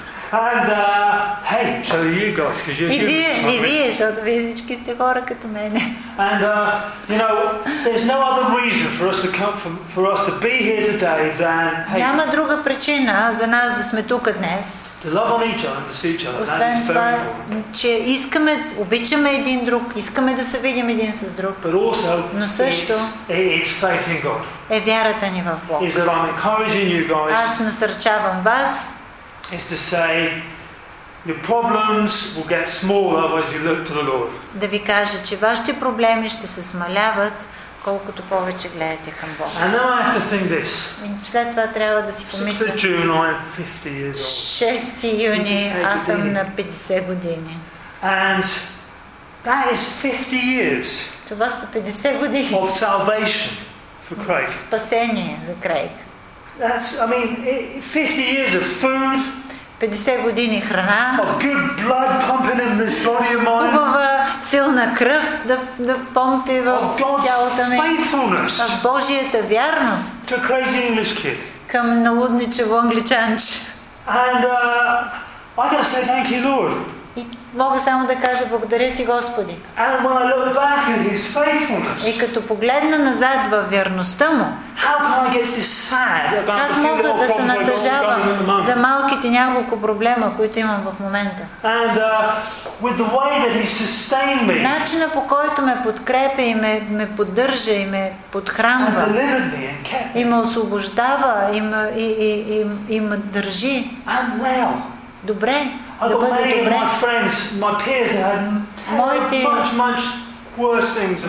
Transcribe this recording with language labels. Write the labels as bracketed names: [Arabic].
[English] Hey, so are you guys, because you're human. Like [Bulgarian] и вие, защото вие всички сте хора като мене. [English] And you know, there's no other reason for us to come for us to be here today than. [Bulgarian] Няма друга причина за нас да сме тук днес. [English] To love on each other, to see each other. [Bulgarian] Освен това, че искаме, обичаме един друг, искаме да се видим един с друг. [English] But also, [Bulgarian] но също, [English] it's faith in God. [Bulgarian] Е вярата ни в Бог. [English] Is that I'm encouraging you guys. [Bulgarian] Аз насърчавам вас. [English] Is to say, your problems will get smaller as you look to the Lord. [Bulgarian] Да ви кажа, че вашите проблеми ще се смаляват, колкото повече гледате към Бога. [English] And now I have to think this. [Bulgarian] След това трябва да си помисля. [English] 6 June, I'm 50 years old. [Bulgarian] 6 юни, аз съм на 50 години. [English] And that is 50 years. [Bulgarian] Това са 50 години. [English] Of salvation for Christ. [Bulgarian] Спасение за Крайг. [English] That's, I mean, 50 years of food. [Bulgarian] 50 години храна. [English] Of good blood pumping in this body of mine. [Bulgarian] Хубава, силна кръв да помпи в тялото ми. [English] Faithfulness. [Bulgarian] Of Божията вярност. [English] To a crazy English kid. [Bulgarian] Към налудничаво англичанче. [English] And I gotta say thank you, Lord. [Bulgarian] И мога само да кажа благодаря ти, Господи. [English] And when I look back at His faithfulness. [Bulgarian] И като погледна назад във вярността му. [English] How can I get this sad about [Bulgarian] как мога да се натъжавам за малките няколко проблема, които имам в момента? [English] And with the way that He sustained me. [Bulgarian] Начина по който ме подкрепя и ме поддържа и ме подхранва. [English] And delivered me and kept me. [Bulgarian] И ме освобождава и ме държи. [English] And well. [Bulgarian] Добре. [English] I've got many of my friends, my peers have had [Bulgarian] моите [English] much, much worse things.